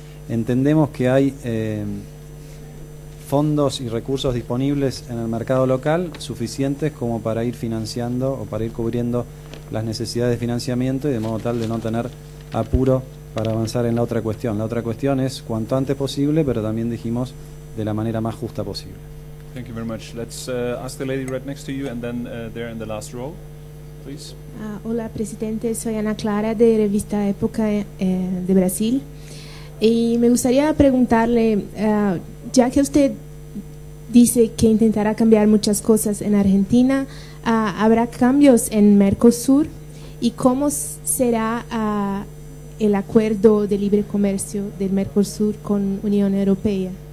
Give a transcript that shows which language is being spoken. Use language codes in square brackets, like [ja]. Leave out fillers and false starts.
[es] Entendemos que hay fondos y recursos disponibles en el mercado local suficientes como para ir financiando o para ir cubriendo las necesidades de financiamiento, y de modo tal de no tener apuro para avanzar en la otra cuestión. La otra cuestión es cuanto antes posible, pero también dijimos de la manera más justa posible. [en] Thank you very much. Let's ask the lady right next to you, and then there in the last row, please. [es] Hola, presidente. Soy Ana Clara, de Revista Época de Brasil. Y me gustaría preguntarle, ya que usted dice que intentará cambiar muchas cosas en Argentina, ¿habrá cambios en Mercosur? ¿Y cómo será el acuerdo de libre comercio del Mercosur con Unión Europea?